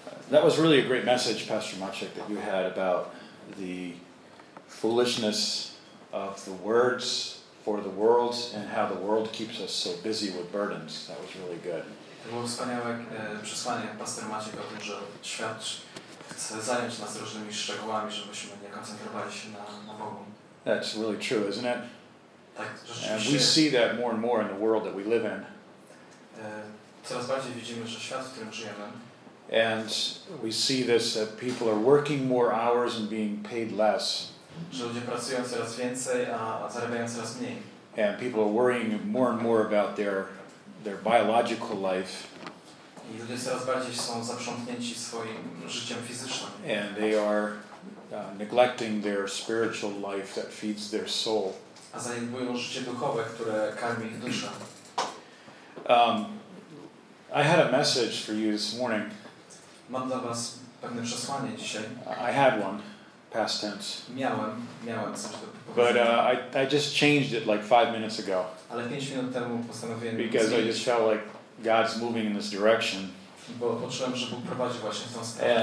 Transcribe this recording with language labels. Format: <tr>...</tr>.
<en>That was really a great message, Pastor Maciek, that you had about the foolishness of the words for the world and how the world keeps us so busy with burdens. That was really good.</en> <pl>To było wspaniałe przesłanie Pastor Maciek o tym, że świat chce zająć nas różnymi szczegółami, żebyśmy nie koncentrowali się na Bogu.</pl> <en>That's really true, isn't it?</en> <pl>Tak,</pl> <en>and we see that more and more in the world that we live in.</en> <pl>Coraz bardziej widzimy, że świat, w którym żyjemy.</pl> <en>And we see this that people are working more hours and being paid less.</en> <pl>Że ludzie pracują coraz więcej, a zarabiają coraz mniej.</pl> <en>And people are worrying more and more about their biological life.</en> <pl>I ludzie coraz bardziej są zaprzątnięci swoim życiem fizycznym.</pl> <en>And they are neglecting their spiritual life that feeds their soul.</en> <pl>A zaniedbują życie duchowe, które karmi ich duszę.</pl> <en>I had a message for you this morning.</en> <pl>Mam dla was pewne przesłanie dzisiaj.</pl> <en>I had one, past tense.</en> <pl>Miałem coś do powiedzenia.</pl> <en>But I just changed it like 5 minutes ago.</en> <pl>Ale 5 minut temu postanowiłem.</pl> <en>Because I just felt like God's moving in this direction.</en> <pl>Bo poczułem, że Bóg prowadzi właśnie w tą stronę.</pl>